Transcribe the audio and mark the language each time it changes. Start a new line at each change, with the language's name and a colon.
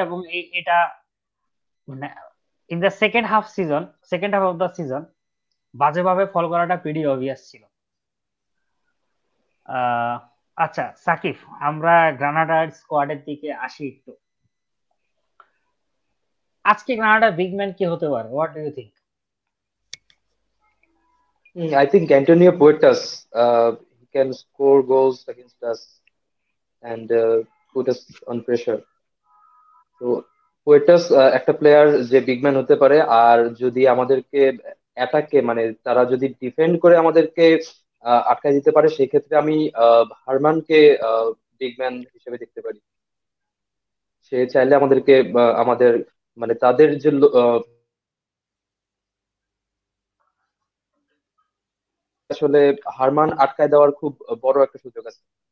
Bangla: এবং এটা মানে
English: in the second half season, second half of the season
Bangla: বাজেভাবে ফল করাটা
English: pretty obvious
Bangla: ছিল। আচ্ছা সাকিব, আমরা গ্রানাডার স্কোয়াডের দিকে আসি একটু। আজকে গ্রানাডার বিগ ম্যান কি হতে পারে,
English: What do you think? I think Antonio Puertas can score goals against us and put us on pressure.
Bangla: So Puertas একটা প্লেয়ার যে বিগম্যান হতে পারে, আর যদি আমাদেরকে অ্যাটাকে মানে তারা যদি ডিফেন্ড করে আমাদেরকে আটকায় দিতে পারে, সেক্ষেত্রে আমি হারমানকে বিগম্যান হিসেবে দেখতে পারি। সে চাইলে আমাদেরকে আমাদের মানে তাদের যে আসলে হারমান আটকায় দেওয়ার খুব বড় একটা সুযোগ আছে।